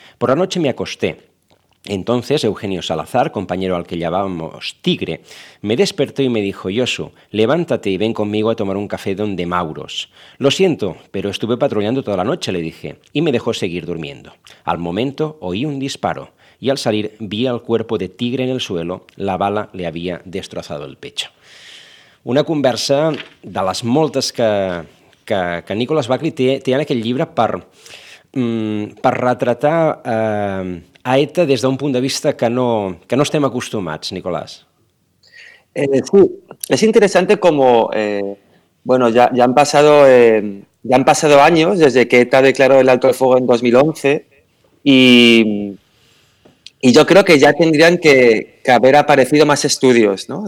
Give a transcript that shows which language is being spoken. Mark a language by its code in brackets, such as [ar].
[es] Por la noche me acosté. Entonces Eugenio Salazar, compañero al que llamábamos Tigre, me despertó y me dijo, Josu, levántate y ven conmigo a tomar un café donde Mauros. Lo siento, pero estuve patrullando toda la noche, le dije, y me dejó seguir durmiendo. Al momento oí un disparo y al salir vi al cuerpo de Tigre en el suelo, la bala le había destrozado el pecho. [ca] Una conversa de las moltes que Nicolás Buckley té en aquest llibre per retratar a ETA des d'un punt de vista que no estem acostumats, Nicolás. [es] Sí, es interesante como, bueno, ya han pasado años desde que ETA declaró el alto el fuego en 2011 y yo creo que ya tendrían que haber aparecido más estudios, ¿no?